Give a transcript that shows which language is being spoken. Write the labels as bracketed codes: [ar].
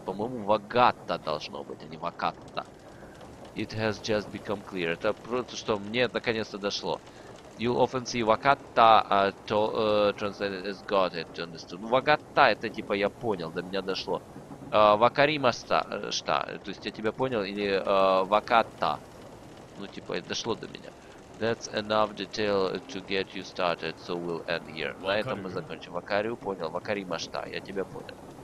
[ru] По-моему, ваката должно быть, а не ваката. [en] It has just become clear. [ru] Это просто, что мне наконец-то дошло. [en] You often see ваката translated as got it, to understand. [ru] Ваката, это типа я понял, до меня дошло. Вакаримаста, что? То есть я тебя понял, или ваката? Ну, типа, это дошло до меня. [en] That's enough detail to get you started, so we'll end here. [ru] Вакарю. На этом мы закончим. Вакарю, понял. Вакаримашта, я тебя понял.